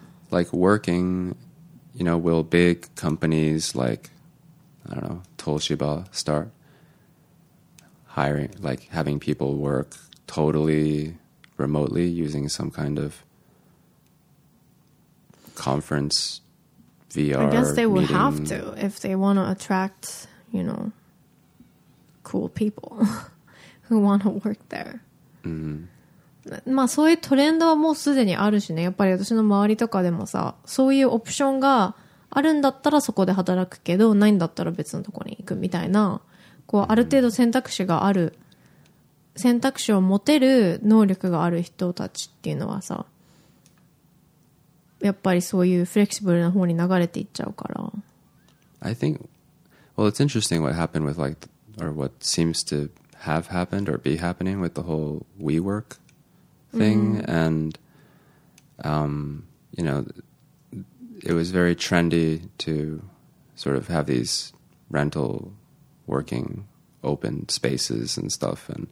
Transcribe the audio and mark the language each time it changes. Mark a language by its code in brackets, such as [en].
[en] Like working, you know, will big companies like, I don't know, Toshiba start hiring, like having people work totally remotely using some kind of conference VR? I guess they would have to if they want to attract, you know, cool people who want to work there. [ja] まあそういうトレンドはもうすでにあるしね。やっぱり私の周りとかでもさ、そういうオプションがあるんだったらそこで働くけど、ないんだったら別のとこに行くみたいな、こうある程度選択肢がある、選択肢を持てる能力がある人たちっていうのはさ、やっぱりそういうフレキシブルな方に流れていっちゃうから。 [en] I think, well, it's interesting what happened with like, or what seems to have happened or be happening with the whole WeWork thing. And, you know, it was very trendy to sort of have these rental working open spaces and stuff.